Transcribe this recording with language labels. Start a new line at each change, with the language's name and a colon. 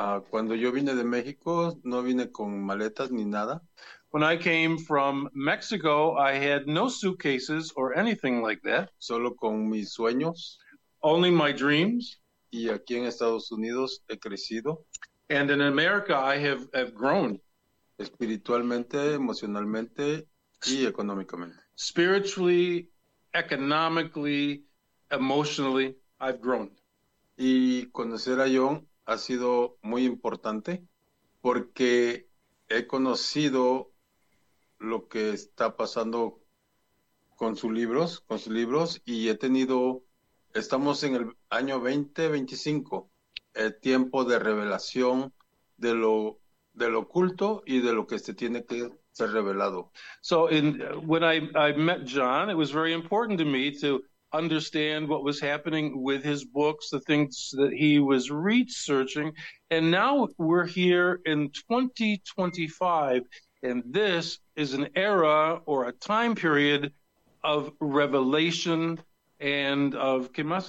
Spanish: Cuando yo vine de México, no vine con maletas ni nada.
English: When I came from Mexico, I had no suitcases or anything like that.
Spanish: Solo con mis sueños.
English: Only my dreams.
Spanish: Y aquí en Estados Unidos he crecido.
English: And in America, I have grown.
Spanish: Espiritualmente, emocionalmente, y económicamente.
English: Spiritually, economically, emotionally, I've grown.
Spanish: Y conocer a John ha sido muy importante porque he conocido lo que está pasando con sus libros, y he tenido, estamos en el año 2025, el tiempo de revelación de lo oculto y de lo que se tiene que ser revelado.
English: So when I met John, it was very important to me to understand what was happening with his books, the things that he was researching. And now we're here in 2025, and this is an era or a time period of revelation and of ¿qué más?